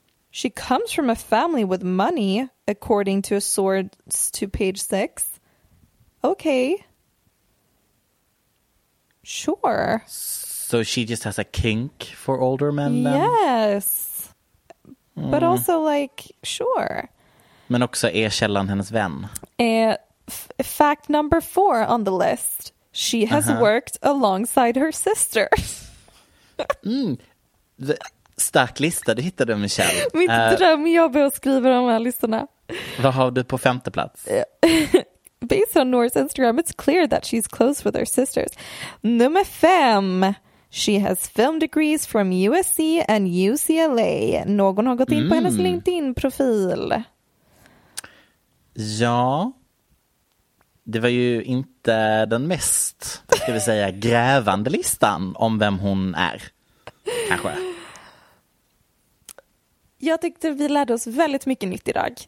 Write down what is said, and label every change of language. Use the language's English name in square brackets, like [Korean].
[English] She comes from a family with money, according to a source to page 6. Okay. Sure. So she just has a kink for older men? Yes. Then? But also like, sure. [Swedish] Men också är källan hennes vän. [English] Fact number 4 on the list. She has worked alongside her sister. [Swedish] Stark lista, du hittade en källa. Mitt drömjobb är att skriva de här listorna. Vad har du på femte plats? [English] Based on Noor's Instagram, it's clear that she's close with her sisters. [Swedish] Nummer 5. [English] She has film degrees from USC and UCLA. [Swedish] Någon har gått in på hennes LinkedIn-profil. Ja, det var ju inte den mest, ska vi säga, grävande listan om vem hon är, kanske. Jag tyckte vi lärde oss väldigt mycket nytt idag.